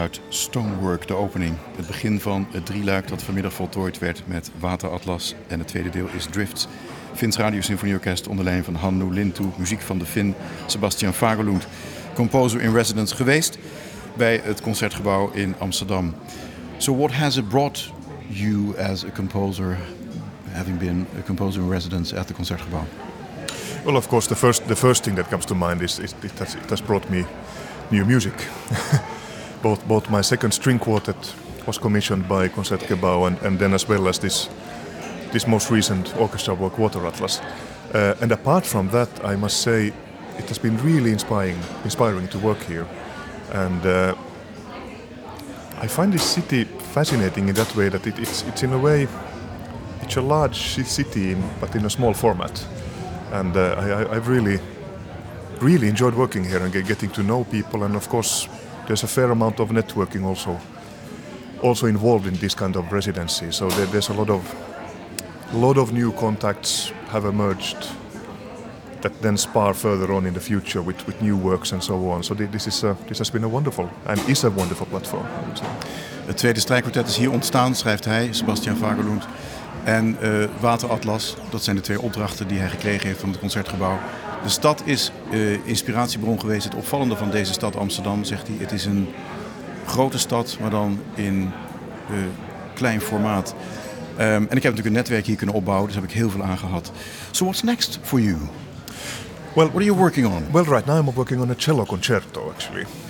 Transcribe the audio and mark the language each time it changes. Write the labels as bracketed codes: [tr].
[nl] Stonework, de opening. Het begin van het drieluik dat vanmiddag voltooid werd met Wateratlas. En het tweede deel is Drifts. Fins Radio Symfonieorkest onder leiding van Hannu Lintu. Muziek van de Fin Sebastian Fagerlund. Composer in residence geweest bij het Concertgebouw in Amsterdam. [en] So what has it brought you as a composer, having been a composer in residence at the Concertgebouw? Well, of course, the first thing that comes to mind is it has brought me new music. Both my second string quartet was commissioned by Concertgebouw and then as well as this most recent orchestra work, Wateratlas. And apart from that, I must say, it has been really inspiring to work here. And I find this city fascinating in that way that it's in a way, it's a large city, but in a small format. And I've really, really enjoyed working here and getting to know people. And of course, there's a fair amount of networking also involved in this kind of residency. So there's a lot of new contacts have emerged that then spar further on in the future with new works and so on. So this has been a wonderful and is a wonderful platform. [nl] Het tweede strijkkwartet is hier ontstaan, schrijft hij, Sebastian Vagelund. En Wateratlas, dat zijn de twee opdrachten die hij gekregen heeft van het concertgebouw. De stad is inspiratiebron geweest. Het opvallende van deze stad Amsterdam, zegt hij, het is een grote stad, maar dan in klein formaat. En ik heb natuurlijk een netwerk hier kunnen opbouwen, dus heb ik heel veel aan gehad. [en] So what's next for you? Well, what are you working on? Well, right now I'm working on a cello concerto, actually.